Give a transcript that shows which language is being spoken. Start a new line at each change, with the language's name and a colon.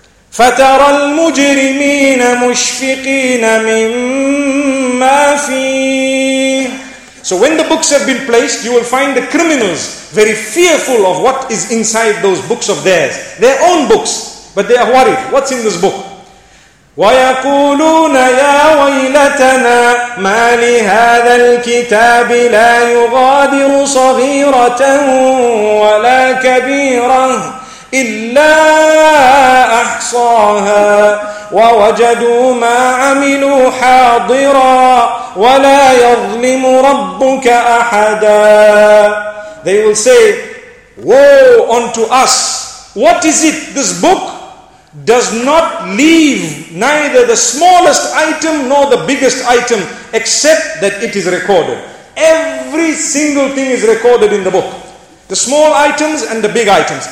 Arabic: فَتَرَى الْمُجْرِمِينَ مُشْفِقِينَ مِمَّا فِيهِ.
English: So when the books have been placed, you will find the criminals very fearful of what is inside those books of theirs. Their own books. But they are worried. What's in this book?
Arabic: ويقولون يا ويلتنا ما لهذا الكتاب لا يغادر صغيرة ولا كبيرة إلا أحصاها ووجدوا ما عملوا حاضرا ولا يظلم ربك أحدا.
English: They will say, woe unto us! What is it? This book does not leave neither the smallest item nor the biggest item except that it is recorded. Every single thing is recorded in the book. The small items and the big items.